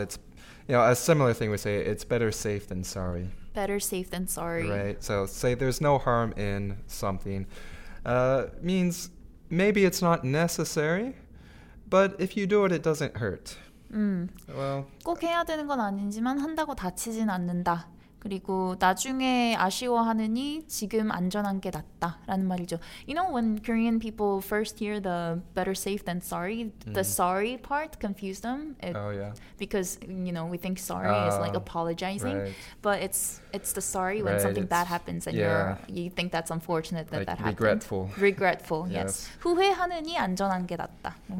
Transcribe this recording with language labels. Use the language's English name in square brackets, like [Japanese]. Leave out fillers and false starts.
[English] It's, you know, a similar thing we say, it's better safe than sorry. Better safe than sorry. Right. So say there's no harm in something. Means maybe it's not necessary. But if you do it, it doesn't hurt. [Korean] Well, 꼭 해야 되는 건 아니지만 한다고 다치진 않는다. 그리고 나중에 아쉬워하느니 지금 안전한 게 낫다라는 말이죠. [English] You know, when Korean people first hear the better safe than sorry, the sorry part confused them. Because, you know, we think sorry is like apologizing. Right. But it's the sorry when something bad happens and you think that's unfortunate that that happened. Regretful. Regretful, yes. [Korean] 후회하느니 안전한 게 낫다.